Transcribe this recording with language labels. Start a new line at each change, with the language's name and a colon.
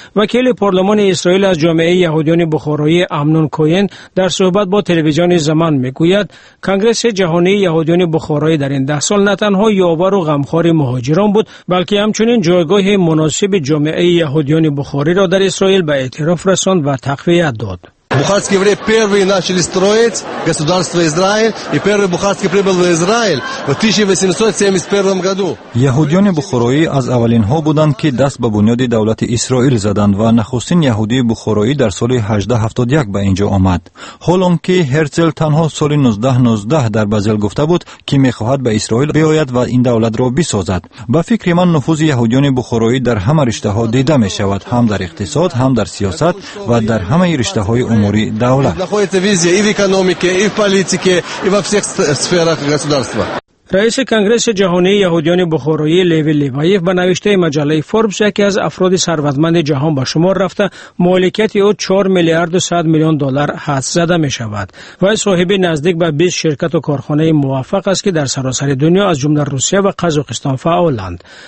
Persian: وکیل پارلمان اسرائیل از جامعه یهودیان بخارایی امنون کوین در صحبت با تلویزیون زمان میگوید کنگرس جهانی یهودیان بخارایی در این 10 سال نه تنها یاور و غمخوار مهاجران بود، بلکه همچنین جایگاه مناسب جامعه یهودیان بخاری را در اسرائیل به اعتراف رساند و تقویت داد.
Russian: Бухарские евреи первые начали строить государство Израиль, и первый бухарский прибыл в Израиль в 1871 году.
Tajik: Яхудяне Бухарои аз авалинҳо буданд ки даст ба бунёди давлати Исроил заданд ва нахустин яҳудии Бухарои дар соли 1871 ба инҷо омад. Ҳолон ки Херцл танҳо соли 1919 дар Базел гуфта буд ки мехоҳад ба Исроил биёяд ва ин давлатро бисозад. Ба фикри ман нуфузи яҳудяне Бухарои дар ҳама риштаҳо дида мешавад, ҳам дар иқтисод, ҳам дар сиёсат ва дар ҳамаи риштаҳои умури давлат.
Russian: Находится везде, и в экономике, и в политике, и во всех сферах государства.
Persian: رئیس کنگرس جهانی یهودیان بخارایی لیوی لیوایف به نوشته مجله فوربس یکی از افراد ثروتمند جهان به شمار رفته، مالکیت او 4 میلیارد و 100 میلیون دلار حد زده می شود. وی صاحب نزدیک به 20 شرکت و کارخانه موفق است که در سراسر دنیا از جمله روسیه و قزاقستان فعالند.